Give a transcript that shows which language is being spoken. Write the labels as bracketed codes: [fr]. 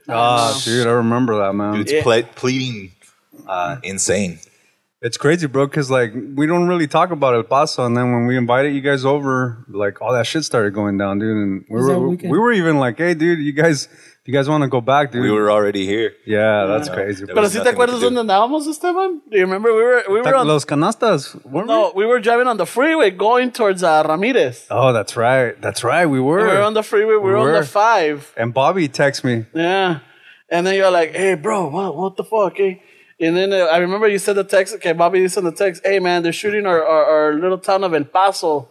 [en] Oh, dude, I remember that, man. Dude, it's pleading insane. It's crazy, bro, because, like, we don't really talk about El Paso. And then when we invited you guys over, like, all that shit started going down, dude. And we were even like, hey, dude, you guys want to go back, dude? We were already here. Yeah, that's crazy. [es] Pero si te acuerdas donde andábamos, Esteban? [en] Do you remember? We were on... Los Canastas, weren't we? No, we were driving on the freeway going towards Ramirez. Oh, that's right. That's right. We were on the freeway. We were on the 5. And Bobby texted me. Yeah. And then you're like, hey, bro, what the fuck, hey? And then I remember you sent the text. Okay, Bobby, you sent the text. Hey, man, they're shooting our little town of El Paso.